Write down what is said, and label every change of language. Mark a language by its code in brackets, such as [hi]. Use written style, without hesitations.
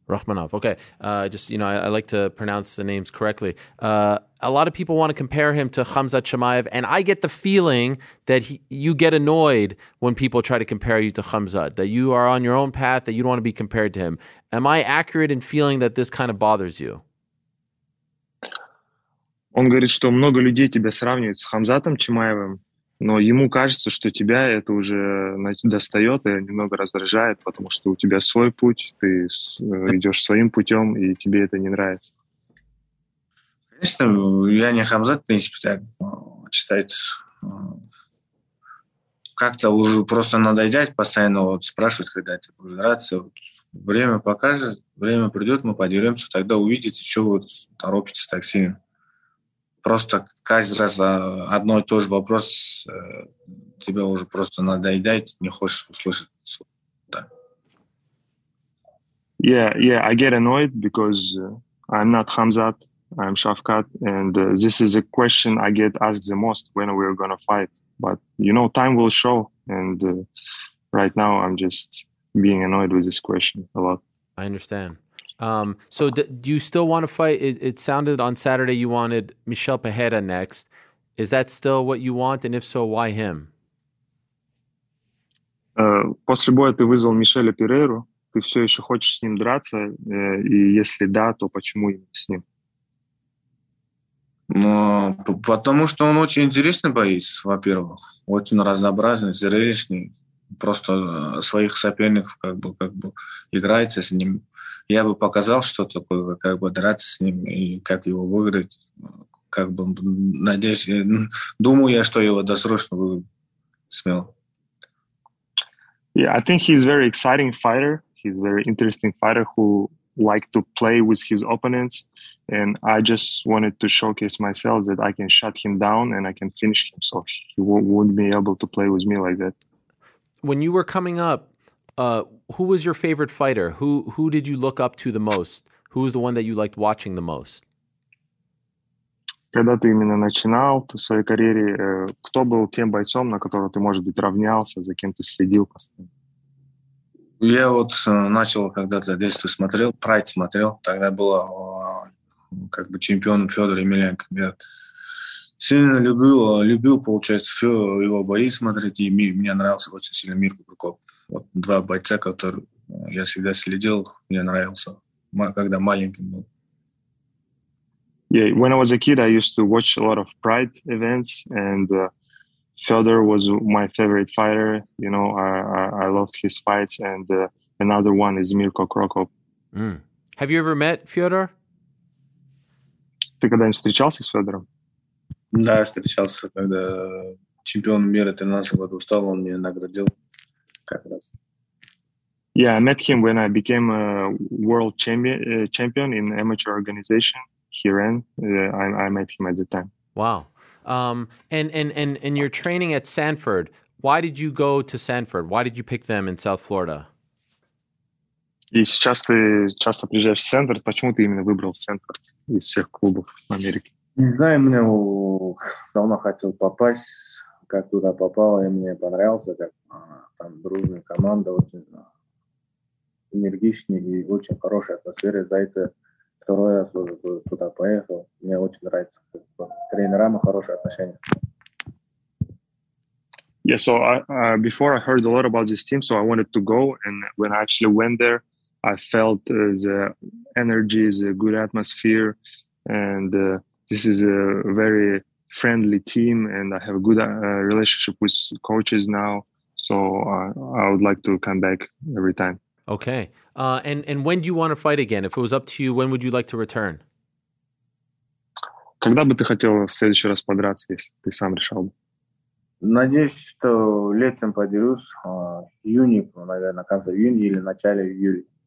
[en] Rakhmonov, okay. I like to pronounce the names correctly. A lot of people want to compare him to Khamzat Chimaev, and I get the feeling that you get annoyed when people try to compare you to Khamzat, that you are on your own path, that you don't want to be compared to him. Am I accurate in feeling that this kind of bothers you? [ru] Он говорит, что много людей тебя сравнивают с Хамзатом Чимаевым, но ему кажется, что тебя это уже достает и немного раздражает, потому что у тебя свой путь, ты идешь своим путем, и тебе это не нравится. Конечно, я не Хамзат, в принципе, так считается. Как-то уже просто надо идти, постоянно вот спрашивать, когда это будет нравиться. Вот время покажет, время придет, мы подеремся, тогда увидите, что вот торопится так сильно. Просто каждый раз одно и то же вопрос тебе уже просто надоедает, не хочешь услышать. Да. [en] Yeah, I get annoyed because I'm not Khamzat, I'm Shavkat, and this is a question I get asked the most, when we're going to fight. But, you know, time will show, and right now I'm just being annoyed with this question a lot. I understand. Do you still want to fight? It sounded on Saturday you wanted Michel Pajeda next. Is that still what you want? And if so, why him? [ru] После боя ты вызвал Мишеля Перейру. Ты все еще хочешь с ним драться? И если да, то почему с ним? Ну, потому что он очень интересный боец, во-первых. Очень разнообразный, зрелищный. Просто своих соперников как бы играется с ним. Я бы показал, что такое, как бы драться с ним и как его выиграть. Как бы, надеюсь, думаю я, что его досрочно выиграю. Смело. [en] Yeah, I think he's very exciting fighter. He's very interesting fighter who like to play with his opponents. And I just wanted to showcase myself that I can shut him down and I can finish him. So he wouldn't be able to play with me like that. When you were coming up, who was your favorite fighter? Who did you look up to the most? Who was the one that you liked watching the most? [ru] Когда ты именно начинал в своей карьере, кто был тем бойцом, на которого ты, может быть, равнялся, за кем ты следил постоянно? Я вот начал когда-то действовать, смотрел, прайд смотрел. Тогда был как бы чемпионом Федор Емельяненко. Я сильно любил, получается, все его бои смотреть, и мне нравился очень сильно Мир Кубрюков. Вот два бойца, которые я всегда следил, мне нравился, когда маленьким был. [en] Yeah, when I was a kid, I used to watch a lot of Pride events, and Fedor was my favorite fighter. You know, I loved his fights, and another one is Mirko Krokop. Mm. Have you ever met Fedor? [ru] Ты когда-нибудь встречался с Федором? Да, я встречался, когда чемпион мира 13 года устал, он меня наградил. [en] Yeah, I met him when I became a world champion in amateur organization here in. I met him at the time. Wow. And you're training at Sanford. Why did you go to Sanford? Why did you pick them in South Florida? [ru] Сейчас ты часто приезжаешь в Сэнфорд. Почему ты именно выбрал Сэнфорд из всех клубов в Америке? Не знаю, мне давно хотел попасть, как туда попал, и мне понравился, как там дружная команда, очень энергичная и очень хорошая атмосфера. За это второй раз уже туда поехал. Мне очень нравится. Тренерам хорошие отношения. [en] Yeah, so before I heard a lot about this team, so I wanted to go. And when I actually went there, I felt the energy, the good atmosphere. And this is a very friendly team. And I have a good relationship with coaches now. So I would like to come back every time. Okay. And when do you want to fight again? If it was up to you, when would you like to return? [ru] Когда бы ты хотел в следующий раз подраться, если ты сам решал бы? Надеюсь, что летом подерусь. Июне, наверное, на конце июня или начале июля.